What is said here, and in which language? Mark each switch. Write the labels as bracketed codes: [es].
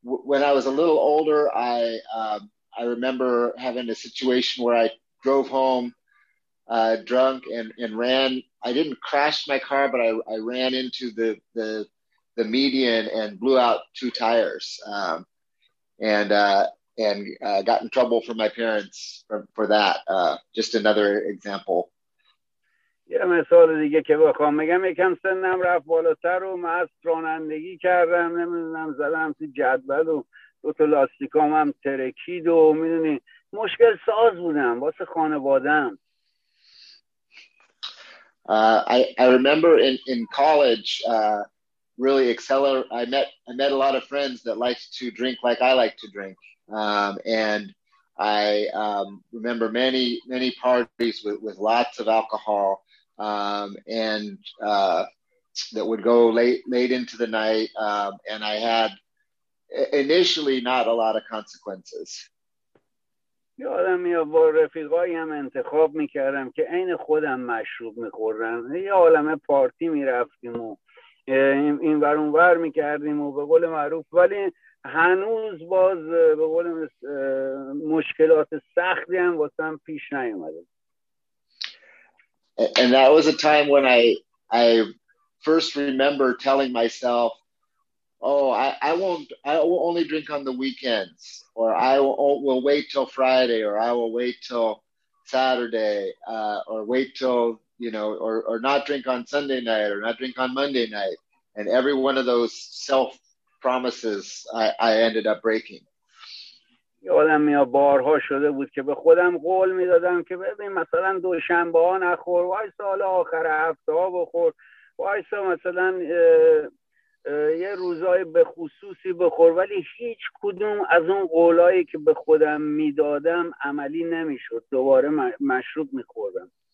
[en] When I was a little older, I remember having a situation where I drove home drunk and ran. I didn't crash my car, but I ran into the median and blew out two tires, and got in trouble from my parents for that. Just another example. [fa] یه مثال دیگه که بخوام بگم، یکم سنم رفت بالاتر و مست رانندگی کردم، نمیدونم زدم تو جدول و دو تا لاستیکام هم ترکید و میدونی مشکل ساز بودم واسه خانوادم. [en] I remember in college really I met a lot of friends that liked to drink like I like to drink, and I remember many parties with lots of alcohol, that would go late into the night, and I had initially not a lot of consequences. [fa] یادم میاد با رفیقایی هم انتخاب میکردم که این خودم مشروب میخوردن، یه عالم پارتی میرفتیم و این ور اون ور میکردیم و به قول معروف، ولی هنوز باز به قول مشکلات سختی هم واسه هم پیش نیومده. [en] And that was a time when I first remember telling myself, oh, I will only drink on the weekends, or I will wait till Friday, or I will wait till Saturday, or wait till, you know, or not drink on Sunday night, or not drink on Monday night. And every one of those self promises I ended up breaking. [fa] یادم میاد بارها شده بود که به خودم قول میدادم که ببین مثلا دوشنبه ها نخور، وای سال آخر هفته ها بخور، وای سال مثلا یه روزای به خصوصی بخور، ولی هیچ کدوم از اون قولایی که به خودم میدادم عملی نمیشد، دوباره مشروب میخوردم.